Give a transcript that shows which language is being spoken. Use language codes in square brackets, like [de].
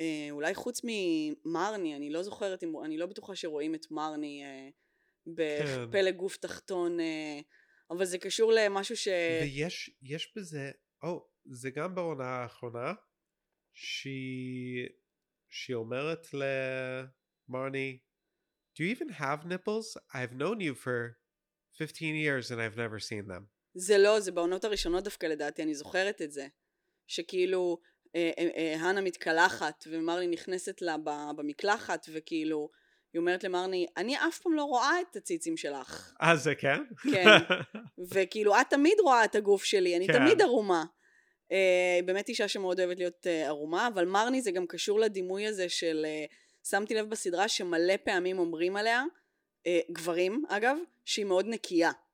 [he] אולי חוץ ממרני, אני לא זוכרת, אני לא בטוחה שרואים את מרני בפלג גוף תחתון, אבל זה קשור למשהו ש... ויש בזה, זה גם בעונה האחרונה, שהיא אומרת למרני, [en] Do you even have nipples? I've known you for 15 years and I've never seen them. [he] זה לא, זה בעונות הראשונות דווקא לדעתי, אני זוכרת את זה. שכאילו, הנה מתקלחת ומרלי נכנסת לה במקלחת וכאילו, היא אומרת למרני, אני אף פעם לא רואה את הציצים שלך. אז זה כן? כן. וכאילו, את תמיד רואה את הגוף שלי, אני תמיד ערומה. באמת אישה שמאוד אוהבת להיות ערומה, אבל מרני זה גם קשור לדימוי הזה של, שמתי לב בסדרה שמלא פעמים אומרים עליה, גברים אגב, שהיא מאוד נקייה.